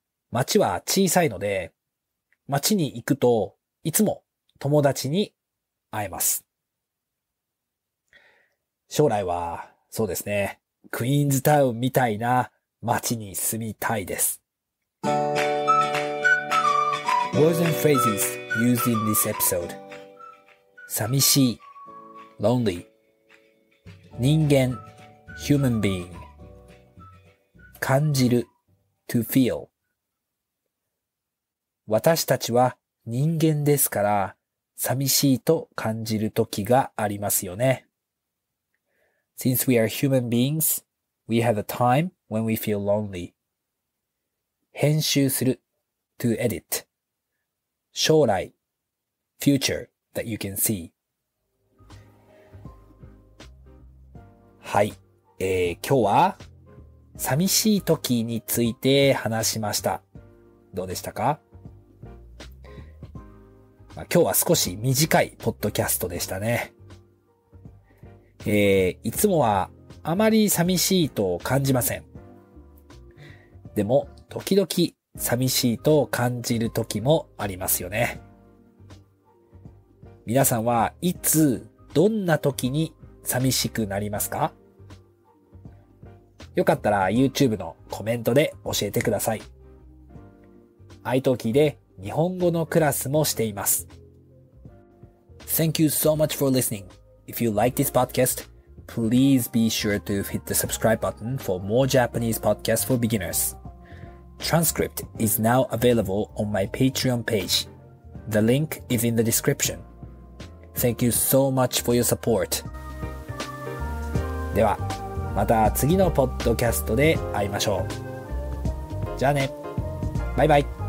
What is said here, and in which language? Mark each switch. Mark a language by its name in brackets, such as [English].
[Japanese] 街は小さいので、街に行くといつも友達に会えます。将来はそうですね、クイーンズタウンみたいな街に住みたいです。 [English] Words and phrases used in this episode. [Japanese] 寂しい [English] lonely. [Japanese] 人間 [English] human being. [Japanese] 感じる [English] to feel. [Japanese] 私たちは人間ですから寂しいと感じる時がありますよね。 [English] Since we are human beings, we have a time when we feel lonely. [Japanese] 編集する [English] to edit. [Japanese] 将来 [English] future that you can see。 [Japanese] はい、今日は寂しい時について話しました。どうでしたか？今日は少し短いポッドキャストでしたね。いつもはあまり寂しいと感じません。でも時々寂しいと感じる時もありますよね。皆さんはいつどんな時に寂しくなりますか？よかったら YouTube のコメントで教えてください。iTalkie で日本語のクラスもしています。 [English] Thank you so much for listening. If you like this podcast, please be sure to hit the subscribe button for more Japanese podcasts for beginners. Transcript is now available on my Patreon page. The link is in the description. Thank you so much for your support. [Japanese] ではまた次のポッドキャストで会いましょう。じゃあね、バイバイ。